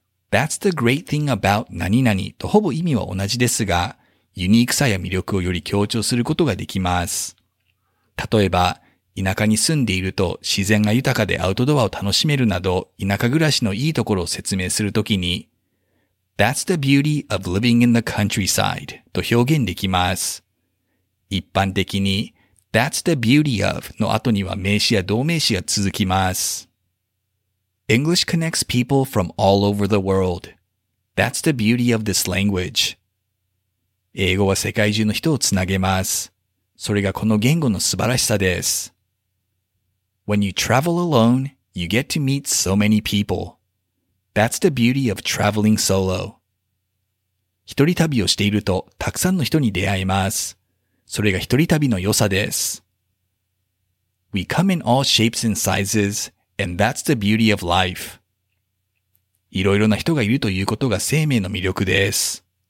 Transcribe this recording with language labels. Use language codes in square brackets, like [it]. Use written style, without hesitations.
[en] That's the great thing about [ja] 何々とほぼ意味は同じですが、 ユニークさや魅力をより強調することができます。例えば、田舎に住んでいると自然が豊かでアウトドアを楽しめるなど、田舎暮らしのいいところを説明するときに、 [en] That's the beauty of living in the countryside [ja] と表現できます。一般的に、 [en] That's the beauty of [ja] の後には名詞や動名詞が続きます。 [en] English connects people from all over the world. That's the beauty of this language. [ja] 英語は世界中の人をつなげます。それがこの言語の素晴らしさです。 [en] When you travel alone, you get to meet so many people. That's the beauty of traveling solo. [ja] 一人旅をしているとたくさんの人に出会います。それが一人旅の良さです。 [en] We come in all shapes and sizes, and that's the beauty of life. [ja] いろいろな人がいるということが生命の魅力です。